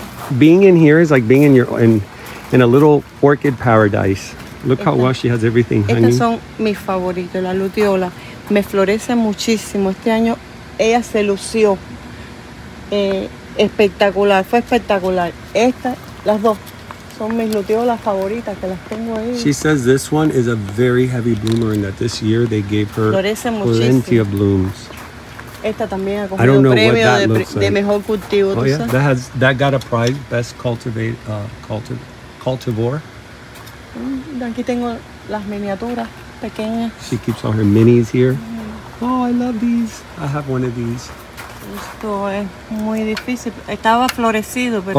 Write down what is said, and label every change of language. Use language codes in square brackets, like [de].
[en] Being in here is like being in your in a little orchid paradise. Look how well she has everything hanging. [es] Estas son mis favoritos, la luteola. Me florece muchísimo. Este año ella se lució espectacular. Fue espectacular. Estas, las dos, son mis luteolas favoritas que las tengo ahí. [en] She says this one is a very heavy bloomer and that this year they gave her plenty of blooms. [es] Esta también ha cogido premio de mejor cultivo. [en] Oh, yeah? That has, that got a prize, best cultivar. [es] Aquí tengo las miniaturas. Pequeña. [en] She keeps all her minis here. Oh, I love these. I have one of these. [es] Esto es muy difícil. Estaba florecido, pero...